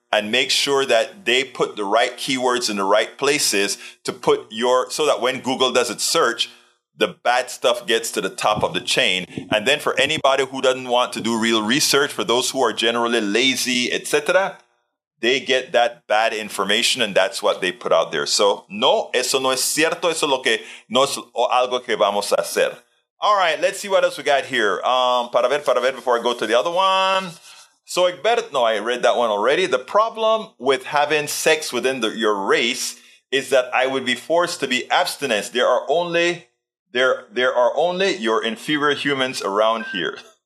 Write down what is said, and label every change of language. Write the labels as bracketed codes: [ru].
[en] and make sure that they put the right keywords in the right places to put your, so that when Google does its search, the bad stuff gets to the top of the chain. And then for anybody who doesn't want to do real research, for those who are generally lazy, etc., they get that bad information, and that's what they put out there. So, no, [es] eso no es cierto. Eso es lo que no es o algo que vamos a hacer. [en] All right, let's see what else we got here. [es] Para ver, [en] before I go to the other one. So, Egbert, no, I read that one already. The problem with having sex within your race is that I would be forced to be abstinent. There are only your inferior humans around here.